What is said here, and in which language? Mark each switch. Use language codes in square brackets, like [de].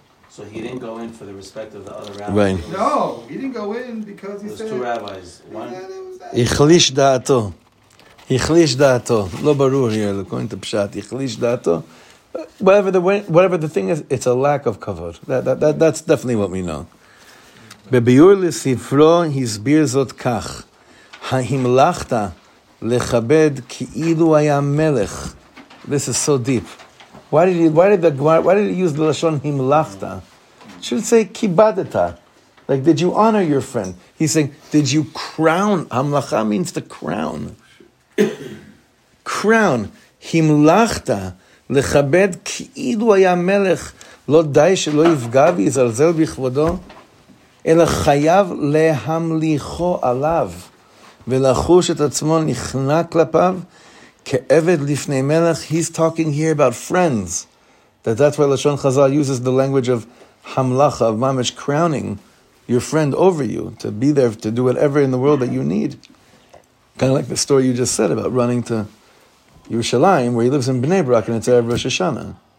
[en] So he didn't go in for the respect of the other rabbis. Right. No, he didn't go in because he said. Those two rabbis. One. [he] Ichlish da'ato. Ichlish da'ato. Lo barur here. [en] According to Pshat, [he] ichlish da'ato. [en] Whatever the thing is, it's a lack of kavod. That's definitely what we know. [he] בביור לספרו הסביר זאת כך, ההמלכת לכבד כאילו היה מלך. [en] This is so deep. Why did he use the לשון המלכת? Should say כיבדת. Like, did you honor your friend? He's saying, did you crown? המלכה means the crown. Crown. [he] המלכת לכבד כאילו היה מלך. לא די שלא יפגע ויזלזל בכבודו. אלא חייב להמליכו עליו, ולחוש את עצמו נכנע כלפיו, כעבד לפני מלך. [en] He's talking here about friends. That's why Lashon Chazal uses the language of hamlacha, of mamish, crowning your friend over you, to be there, to do whatever in the world that you need. Kind of like the story you just said about running to Yerushalayim, where he lives in Bnei Brak, and it's Erev Rosh Hashanah.